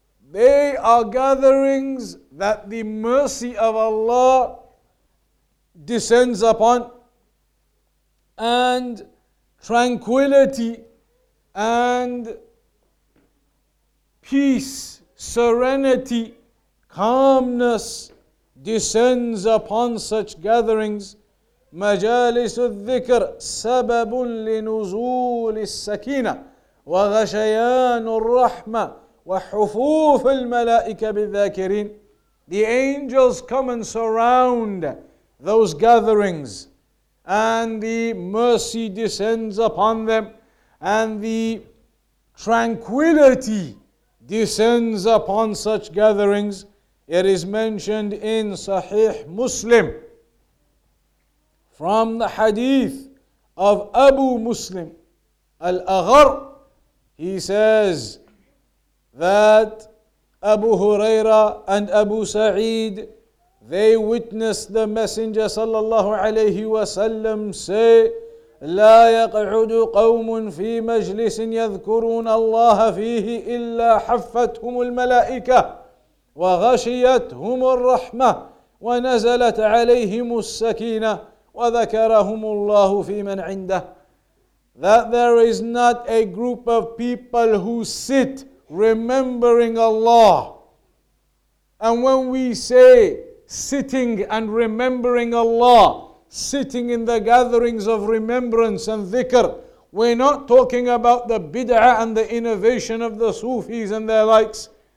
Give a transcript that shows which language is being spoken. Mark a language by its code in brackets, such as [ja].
[en] they are gatherings that the mercy of Allah descends upon, and tranquility and peace, serenity, calmness descends upon such gatherings. [ar] مجالس الذكر سبب لنزول السكينة وغشيان الرحمة وحفوف الملائكة بالذاكرين. [en] The angels come and surround those gatherings, and the mercy descends upon them, and the tranquility descends upon such gatherings. It is mentioned in Sahih Muslim from the hadith of Abu Muslim Al-Aghar. He says that Abu Huraira and Abu Sa'id, they witnessed the Messenger sallallahu alayhi wa sallam say, [ar] لا يقعد قوم في مجلس يذكرون الله فيه إلا حفتهم الملائكة وغشيتهم الرحمة ونزلت عليهم السكينة وذكرهم الله في من عنده. [en] That there is not a group of people who sit remembering Allah. And when we say sitting and remembering Allah, sitting in the gatherings of remembrance and dhikr, we're not talking about the bid'ah and the innovation of the Sufis and their likes.